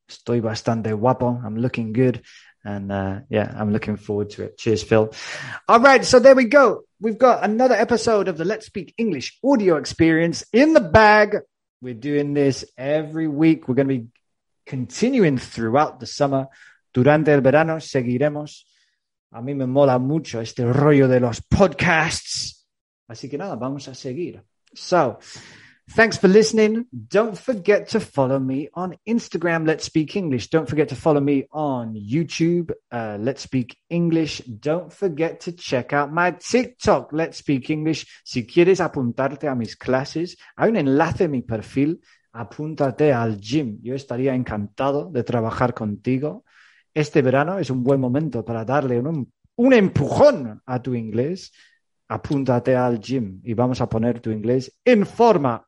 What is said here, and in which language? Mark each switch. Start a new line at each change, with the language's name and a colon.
Spanish: Estoy bastante guapo.
English: I'm looking good. And I'm looking forward to it. Cheers, Phil. All right, so there we go. We've got another episode of the Let's Speak English audio experience in the bag. We're doing this every week. We're going to be continuing throughout the summer.
Spanish: Durante el verano seguiremos. A mí me mola mucho este rollo de los podcasts. Así que nada, vamos a seguir.
English: So thanks for listening. Don't forget to follow me on Instagram, Let's Speak English. Don't forget to follow me on YouTube, Let's Speak English. Don't forget to check out my TikTok, Let's Speak English.
Spanish: Si quieres apuntarte a mis clases, hay un enlace en mi perfil. Apúntate al gym. Yo estaría encantado de trabajar contigo. Este verano es un buen momento para darle un empujón a tu inglés. Apúntate al gym y vamos a poner tu inglés en forma.